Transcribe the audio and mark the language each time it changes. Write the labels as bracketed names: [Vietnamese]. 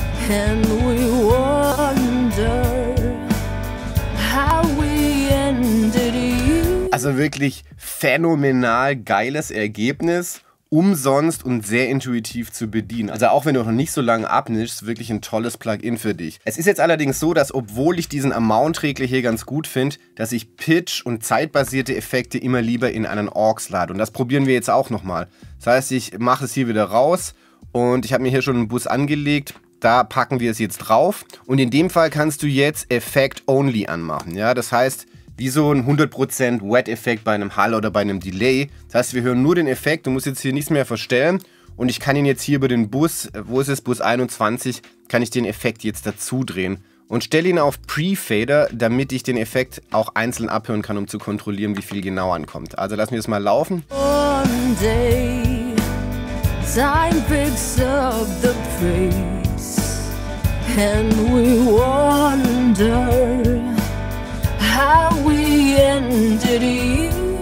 [English] And we wonder how we ended it. [German] Also wirklich phänomenal geiles Ergebnis, umsonst und sehr intuitiv zu bedienen. Also auch wenn du noch nicht so lange abmischst, wirklich ein tolles Plugin für dich. Es ist jetzt allerdings so, dass obwohl ich diesen Amount-Regler hier ganz gut finde, dass ich Pitch- und zeitbasierte Effekte immer lieber in einen Aux lade. Und das probieren wir jetzt auch nochmal. Das heißt, ich mache es hier wieder raus und ich habe mir hier schon einen Bus angelegt. Da packen wir es jetzt drauf und in dem Fall kannst du jetzt Effect Only anmachen. Ja, das heißt, wie so ein 100% Wet-Effekt bei einem Hall oder bei einem Delay. Das heißt, wir hören nur den Effekt, du musst jetzt hier nichts mehr verstellen und ich kann ihn jetzt hier über den Bus, wo ist es, Bus 21, kann ich den Effekt jetzt dazu drehen und stelle ihn auf Pre-Fader, damit ich den Effekt auch einzeln abhören kann, um zu kontrollieren, wie viel genau ankommt. Also lassen wir es mal laufen. [English] One day, time picks up the pace. And we wonder how we ended it.